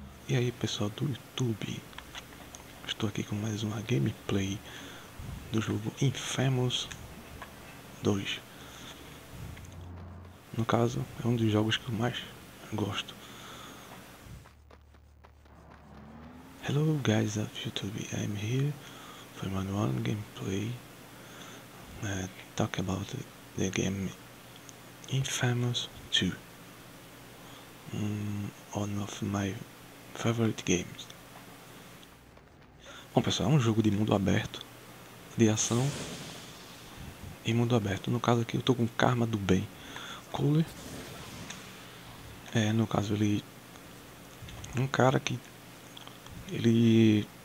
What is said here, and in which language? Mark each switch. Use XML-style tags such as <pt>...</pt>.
<pt>E aí pessoal do YouTube, estou aqui com mais uma gameplay do jogo Infamous 2. No caso, é um dos jogos que eu mais gosto.</pt> <en>Hello guys of YouTube, I'm here for my one gameplay. Talk about the game Infamous 2. One of my favorite games.</en> <pt>Bom pessoal, é um jogo de mundo aberto, de ação e mundo aberto. No caso aqui eu tô com Karma do Bem Cooler. No caso ele. Um cara que. Ele.</pt>